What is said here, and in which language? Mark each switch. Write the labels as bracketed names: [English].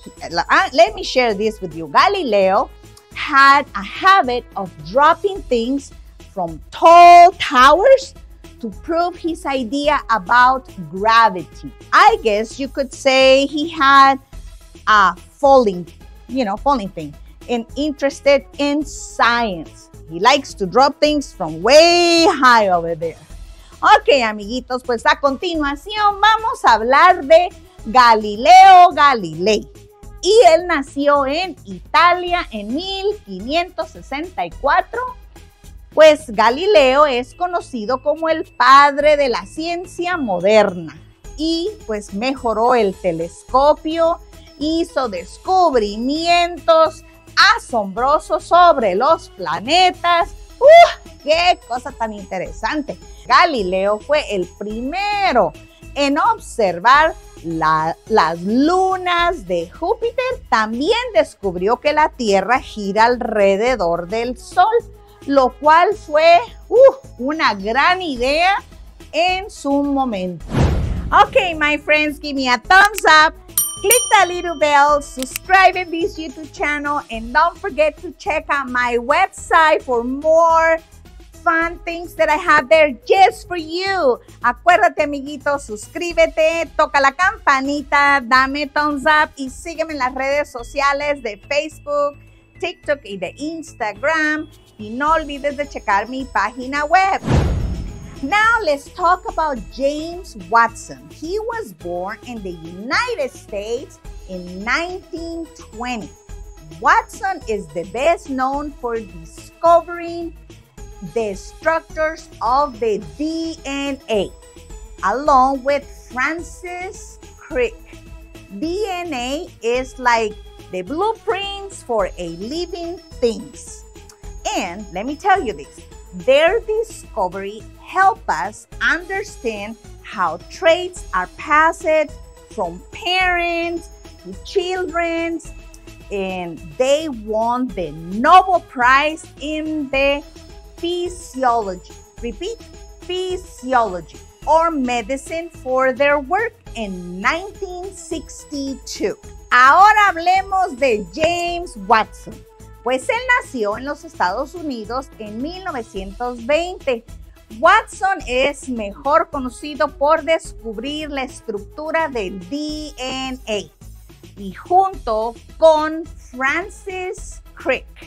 [English] Let me share this with you. Galileo had a habit of dropping things from tall towers to prove his idea about gravity. I guess you could say he had a falling thing and interested in science. He likes to drop things from way high over there. [Spanish] Ok, amiguitos, pues a continuación vamos a hablar de Galileo Galilei. Y él nació en Italia en 1564. Pues Galileo es conocido como el padre de la ciencia moderna. Y pues mejoró el telescopio, hizo descubrimientos asombrosos sobre los planetas. ¡Uf! ¡Qué cosa tan interesante! Galileo fue el primero en observar las lunas de Júpiter. También descubrió que la Tierra gira alrededor del Sol, lo cual fue una gran idea en su momento. [English] Ok, my friends, give me a thumbs up. Click that little bell, subscribe in this YouTube channel, and don't forget to check out my website for more fun things that I have there just for you. [Spanish] Acuérdate, amiguito, suscríbete, toca la campanita, dame thumbs up y sígueme en las redes sociales de Facebook, TikTok y de Instagram. Y no olvides de checar mi página web. [English] Now let's talk about James Watson. He was born in the United States in 1920. Watson is the best known for discovering the structures of the DNA, along with Francis Crick. DNA is like the blueprints for a living things. And let me tell you this, their discovery help us understand how traits are passed from parents to children, and they won the Nobel Prize in the physiology. Repeat, physiology or medicine for their work in 1962. [Spanish] Ahora hablemos de James Watson. Pues él nació en los Estados Unidos en 1920. Watson es mejor conocido por descubrir la estructura del DNA y junto con Francis Crick.